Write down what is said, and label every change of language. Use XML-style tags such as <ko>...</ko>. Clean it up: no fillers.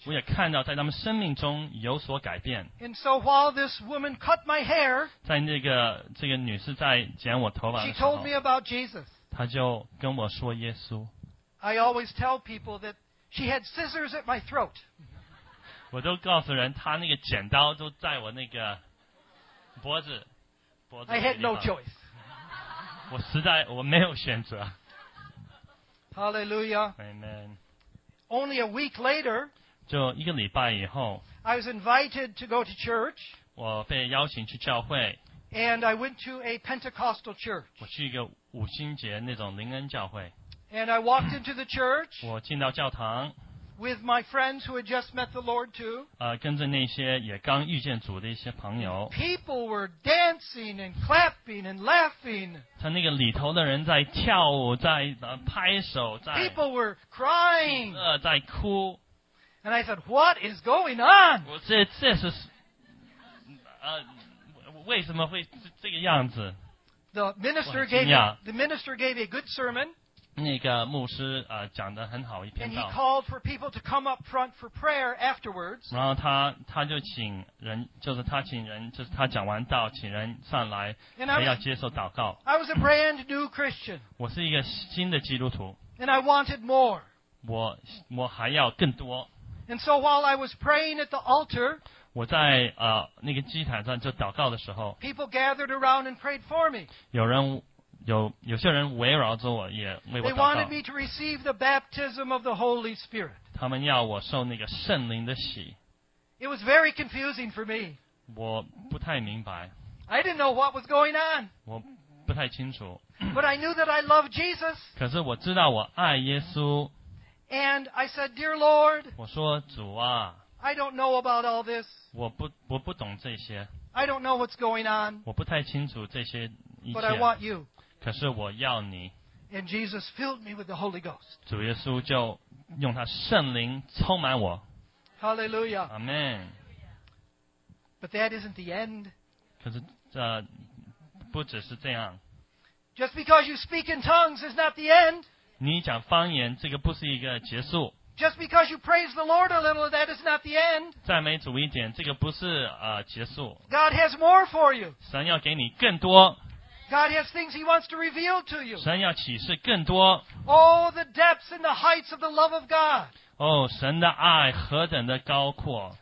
<zh>我也看到在他们生命中有所改变</zh> <en>And so while this woman cut my hair</en> <zh>在那个这个女士在剪我头发的时候</zh> <en>She told me about Jesus.</en> <zh>她就跟我说耶稣</zh> <en>I always tell people that she had scissors at my throat.</en> <zh>我都告诉人她那个剪刀都在我那个脖子</zh> <en>I had no choice.</en> <zh>我实在我没有选择</zh> <en>Hallelujah. Amen. Only a week later,</en> <zh>就一个礼拜以后,</zh> <en>I was invited to go to church.</en> <zh>我被邀请去教会,</zh> <en>and I went to a Pentecostal church.</en> <zh>我去一个五旬节那种灵恩教会,</zh> <en>and I walked into the church.</en> <zh>我进到教堂,</zh> <en>with my friends who had just met the Lord too.</en> <zh>跟着那些也刚遇见主的一些朋友,</zh> <en>people were dancing and clapping and laughing.</en> <zh>他那个里头的人在跳舞，在拍手，在</zh> <en>People were crying.</en> <zh>在哭。</zh> <en>And I said, "What is going on?"</en> <zh>我这是为什么会这个样子</zh> <en>？The minister gave a good sermon.</en> <zh>那个牧师讲的很好一篇道。</zh> <en>And he called for people to come up front for prayer afterwards.</en> <zh>然后他就请人，就是他请人，就是他讲完道，请人上来，还要接受祷告。</zh> <en>I was a brand new Christian.</en> <zh>我是一个新的基督徒。</zh> <en>And I wanted more.</en> <zh>我还要更多。</zh> <en>And so while I was praying at the altar,</en> <zh>我在那个祭坛上就祷告的时候</zh> <en>，people gathered around and prayed for me.</en> <zh>有些人围绕着我也为我祷告。</zh> <en>They wanted me to receive the baptism of the Holy Spirit.</en> <zh>他们要我受那个圣灵的洗。</zh> <en>It was very confusing for me.</en> <zh>我不太明白。</zh> <en>I didn't know what was going on.</en> <zh>我不太清楚。</zh> <en>But I knew that I loved Jesus.</en> <zh>可是我知道我爱耶稣。</zh> <en>And I said, Dear Lord,</en> <zh>我说主啊。</zh> <en>I don't know about all this.</en> <zh>我不懂这些。</zh> <en>I don't know what's going on.</en> <zh>我不太清楚这些一切。</zh> <en>But I want you.</en> <zh>可是我要你。</zh> <en>And Jesus filled me with the Holy Ghost.</en> <zh>主耶稣就用他圣灵充满我。</zh> <en>Hallelujah. Amen. But that isn't the end.</en> <zh>可是不只是这样。</zh> <en>Just because you speak in tongues is not the end.</en> <zh>你讲方言这个不是一个结束。</zh> <en>Just because you praise the Lord a little, that is not the end.</en> <zh>赞美主一点这个不是结束。</zh> <en>God has more for you.</en> <zh>神要给你更多。</zh> <en>God has things He wants to reveal to you.</en> <zh>神要启示更多。</zh> <en>Oh, the depths and the heights of the love of God.</en> <zh>Oh, 神的爱何等的高阔。</zh>